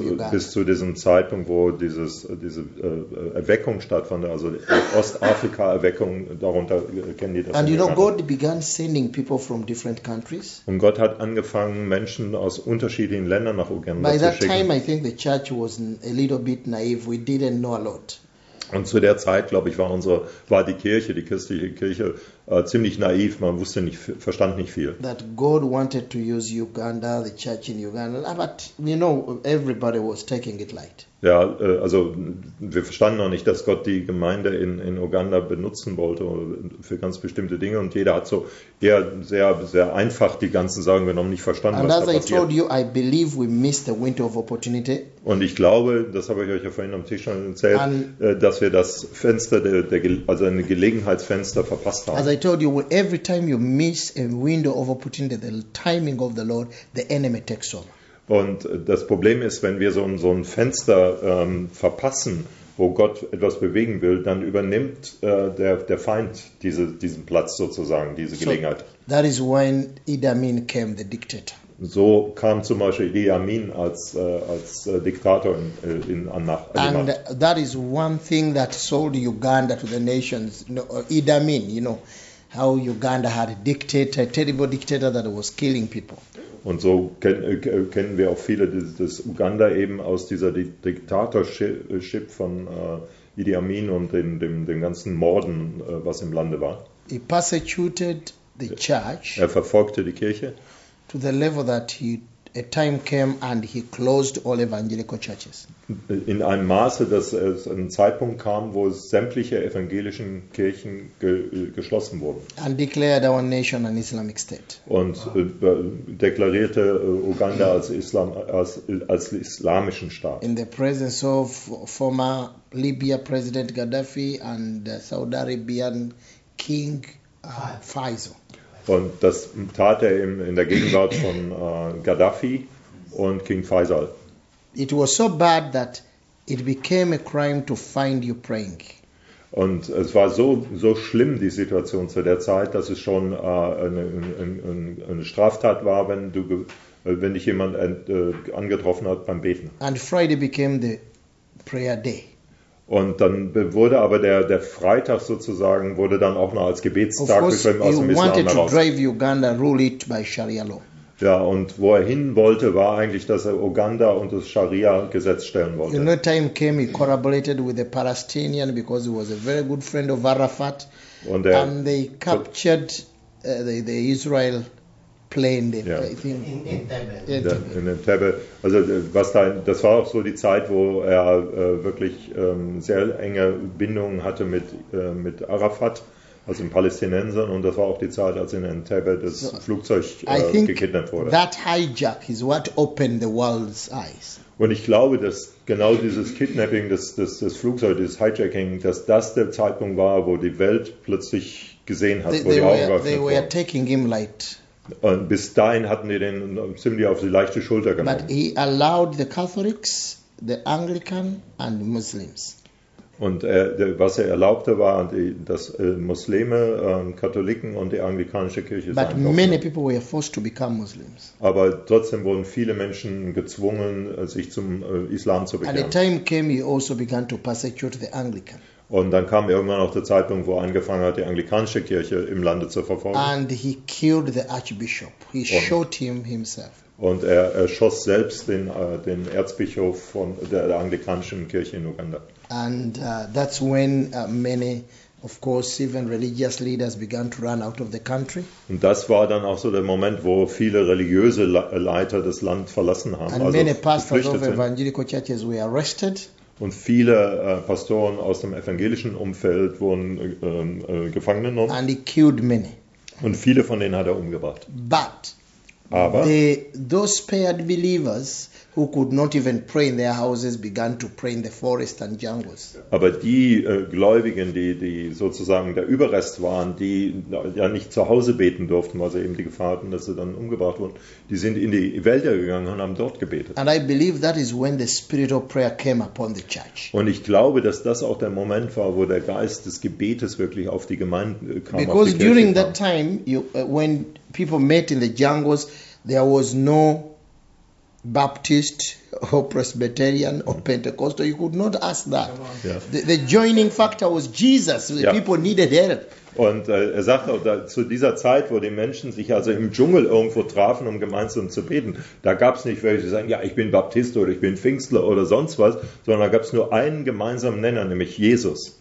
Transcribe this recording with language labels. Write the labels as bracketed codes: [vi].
[de] Bis zu diesem Zeitpunkt, wo diese Erweckung stattfand, also Ostafrika-Erweckung, darunter kennen die das. [en] And you know, God began sending people from different countries. [de] Und Gott hat angefangen, Menschen aus unterschiedlichen Ländern nach Uganda [en] By [de] zu schicken. [en] By that time, I think the church was a little bit naive. We didn't know a lot. [de] Und zu der Zeit, glaube ich, war die Kirche, die christliche Kirche, ziemlich naiv. Man wusste nicht, verstand nicht viel. [en] That God wanted to use Uganda, the church in Uganda, but you know, everybody was taking it light. [de] Ja, also wir verstanden noch nicht, dass Gott die Gemeinde in Uganda benutzen wollte für ganz bestimmte Dinge. Und jeder hat so eher sehr, sehr einfach die ganzen Sachen genommen, nicht verstanden, [en] And [de] was da passiert. [en] And as I told you, I believe we missed the window of opportunity. [de] Und ich glaube, das habe ich euch ja vorhin am Tisch schon erzählt, dass wir das Fenster, also ein Gelegenheitsfenster verpasst haben. [en] As I told you, every time you miss a window of opportunity, the timing of the Lord, the enemy takes over. [de] Und das Problem ist, wenn wir so ein Fenster verpassen, wo Gott etwas bewegen will, dann übernimmt der Feind diesen Platz sozusagen, diese Gelegenheit. [en] So, that is when Idi Amin came, the dictator. [de] So kam zum Beispiel Idi Amin als Diktator in Macht. [en] And that is one thing that sold Uganda to the nations. Idi Amin, you know, how Uganda had a dictator, a terrible dictator that was killing people. [de] Und so kennen wir auch viele, das Uganda eben aus dieser Diktatorship von Idi Amin und den ganzen Morden, was im Lande war. [en] He persecuted the church. [de] Er verfolgte die Kirche. [en] To the level that a time came and he closed all evangelical churches. [de] In einem Maße, dass es einen Zeitpunkt kam, wo sämtliche evangelischen Kirchen geschlossen wurden. [en] And declared our nation an Islamic state. [de] Und deklarierte Uganda als islamischen Staat. [en] In the presence of former Libya President Gaddafi and Saudi Arabian King Faisal. [de] Und das tat er in der Gegenwart von Gaddafi und King Faisal. [en] It was so bad that it became a crime to find you praying. [de] Und es war so schlimm, die Situation zu der Zeit, dass es schon eine Straftat war, wenn dich jemand angetroffen hat beim Beten. [en] And Friday became the prayer day. [de] Und dann wurde aber der Freitag sozusagen, wurde dann auch noch als Gebetstag beschrieben aus dem Islam heraus. [en] To drive Uganda, rule it by Sharia law. [de] Ja, und wo er hin wollte, war eigentlich, dass er Uganda unter das Scharia-Gesetz stellen wollte. [en] In no time came, he collaborated with the Palestinian because he was a very good friend of Arafat. [de] Und er, [en] and they captured the Israel plane, the, yeah. I think. In Entebbe. [de] Also das war auch so die Zeit, wo er wirklich sehr enge Bindungen hatte mit Arafat. Also in Palästinensern, und das war auch die Zeit, als in Entebbe das Flugzeug gekidnappt wurde. [en] That hijack is what opened the world's eyes. [de] Und ich glaube, dass genau dieses Kidnapping, das Flugzeug, dieses Hijacking, dass das der Zeitpunkt war, wo die Welt plötzlich gesehen hat, wo die Augen geöffnet wurden. [en] They were taking him light. [de] Und bis dahin hatten die den ziemlich auf die leichte Schulter genommen. [en] But he allowed the Catholics, the Anglican and Muslims. [de] Und was er erlaubte, war, dass Muslime, Katholiken und die anglikanische Kirche [en] But many people were forced to become Muslims. [de] Aber trotzdem wurden viele Menschen gezwungen, sich zum Islam zu bekehren. [en] And the time came, he also began to persecute the Anglican. [de] Und dann kam irgendwann auch der Zeitpunkt, wo er angefangen hat, die anglikanische Kirche im Lande zu verfolgen. [en] And he killed the Archbishop. He shot him himself. [de] Und er erschoss selbst den Erzbischof von der anglikanischen Kirche in Uganda. [en] And that's when many, of course, even religious leaders began to run out of the country. [de] Und das war dann auch so der Moment, wo viele religiöse Leiter das Land verlassen haben. [en] And [de] also [en] many pastors of evangelical churches were arrested. [de] Und viele Pastoren aus dem evangelischen Umfeld wurden gefangen genommen. [en] And he killed many. [de] Und viele von denen hat er umgebracht. [en] But [de] Aber [en] those spared believers who could not even pray in their houses began to pray in the forest and jungles. [de] Aber die Gläubigen, die sozusagen der Überrest waren, die ja nicht zu Hause beten durften, weil sie eben die Gefahr hatten, dass sie dann umgebracht wurden, die sind in die Wälder gegangen und haben dort gebetet. [en] And I believe that is when the spirit of prayer came upon the church. [de] Und ich glaube, dass das auch der Moment war, wo der Geist des Gebetes wirklich auf die Gemeinde kam. [en] Because during that time, when people met in the jungles, there was no Baptist or Presbyterian or Pentecostal, you could not ask that. Yeah. The joining factor was Jesus. The people needed help. [de] Und er sagt auch, zu dieser Zeit, wo die Menschen sich also im Dschungel irgendwo trafen, um gemeinsam zu beten, da gab es nicht welche, die sagen, ja, ich bin Baptist oder ich bin Pfingstler oder sonst was, sondern da gab es nur einen gemeinsamen Nenner, nämlich Jesus.